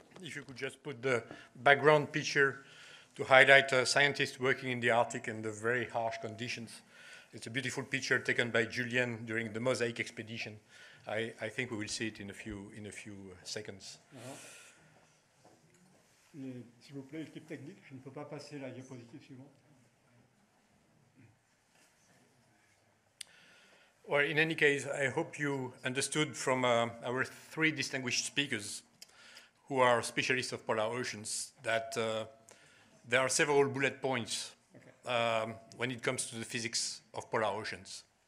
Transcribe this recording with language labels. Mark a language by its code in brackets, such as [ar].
[en] If you could just put the background picture to highlight a scientist working in the Arctic in the very harsh conditions. It's a beautiful picture taken by Julienne during the Mosaic expedition. I think we will see it in a few seconds. Uh-huh. [fr] Et, s'il vous plaît, équipe technique, je ne peux pas passer la diapositive suivante. [en] Well, in any case, I hope you understood from our three distinguished speakers, who are specialists of polar oceans that there are several bullet points when it comes to the physics of polar oceans.